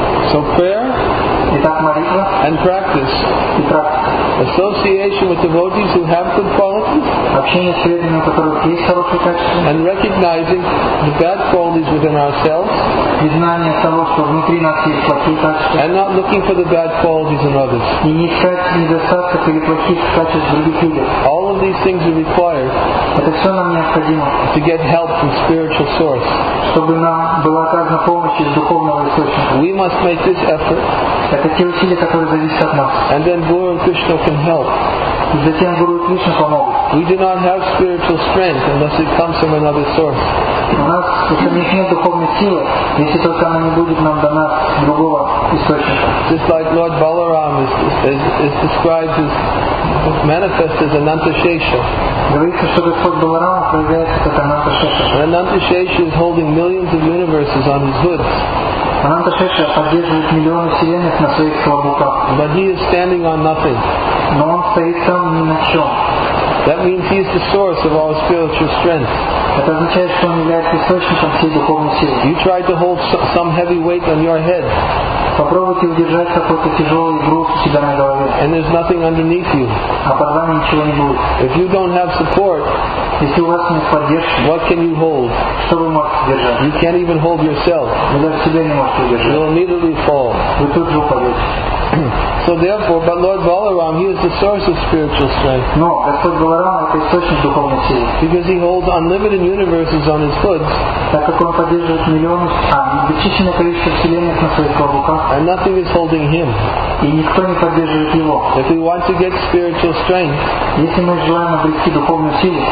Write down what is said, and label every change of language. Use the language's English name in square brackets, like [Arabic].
[English] So prayer, [Russian] итак, молитва, [English] and practice, [Russian] и практика. [English] Association with devotees who have good qualities, [Russian] общение с людьми, у которых есть хорошие качества, [English] and recognizing the bad qualities within ourselves, [Russian] признание того, что внутри нас есть плохие качества, [English] and not looking for the bad qualities in others, [Russian] и не искать недостатков или плохих качеств в других людях. [English] All of these things are required. [Russian] Это все нам необходимо. [English] To get help from spiritual source, [Russian] чтобы нам была оказана помощь из духовного источника. [English] We must make this effort. [Russian] Это те усилия, которые зависят от нас. [English] And then Guru and Krishna can help. [Russian] И затем Гуру и Кришна помогут. [English] We do not have spiritual strength unless it comes from another source. [Russian] У нас у самих нет духовной силы, если только она не будет нам дана с другого источника. [English] Just like Lord Balaram is described as manifest as Anantashesha. [Russian] Говорится, что Господь Баларама проявляется как Ананташеша. [English] Anantashesha is holding millions of universes on his hoods. [Russian] Ананташеша поддерживает миллионы вселенных на своих клобуках. [English] But he is standing on nothing. [Russian] Но он стоит там ни на чем. [English] That means he is the source of all spiritual strength. [Russian] Это означает, что он является источником всей духовной силы. [English] You try to hold some heavy weight on your head. [Russian] Попробуйте удержать какой-то тяжелый груз у себя на голове. [English] And there's nothing underneath you. [Russian] А под вами ничего не будет. [English] If you don't have support, [Russian] если у вас нет поддержки, [English] what can you hold? [Russian] Что вы можете держать? [English] You can't even hold yourself. [Russian] Вы даже себя не можете удержать. [English] You'll immediately fall. [Russian] Вы тут же упадете. [English] So therefore, but Lord Balaram, he is the source of spiritual strength. [Russian] No, Господь Баларам — это источник духовной силы. [English] Because he holds unlimited universes on his hoods. [Russian] Так как он поддерживает миллионы, бесчисленное количество вселенных на своих руках. [English] And nothing is holding him. [Russian] И никто не поддерживает его. [English] If we want to get spiritual strength, [Russian] если мы желаем обрести духовную силу,